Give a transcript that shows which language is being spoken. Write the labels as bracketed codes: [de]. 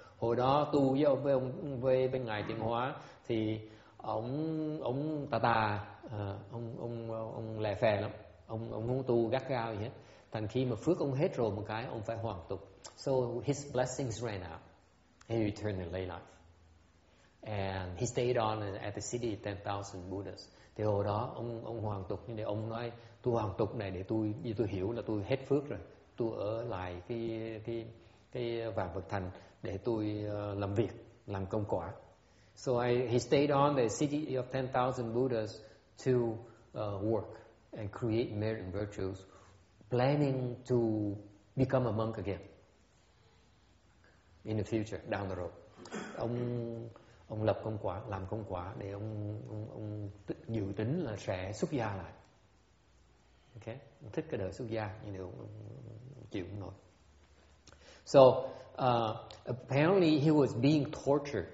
[vi] Hồi đó tu với ngài Tiên Hóa thì ông lè phè lắm. Ông muốn tu gắt gao gì hết. Thành khi mà phước ông hết rồi một cái, ông phải hoàn tục. [en] So his blessings ran out. He returned to lay life. And he stayed on at the City of 10,000 Buddhas. [vi] Thì hồi đó ông hoàn tục, như thế ông nói tu hoàn tục này để tôi, như tôi hiểu là tôi hết phước rồi. Tôi ở lại cái vạn vật thành để tôi làm việc, làm công quả. [en] So he stayed on the City of 10,000 Buddhas to work and create merit and virtues, planning to become a monk again in the future, down the road. [vi] Ông lập công quả, làm công quả để ông dự tính là sẽ xuất gia lại. Ok, ông thích cái đời xuất gia nhưng mà ông chịu không nổi. [en] So apparently he was being tortured.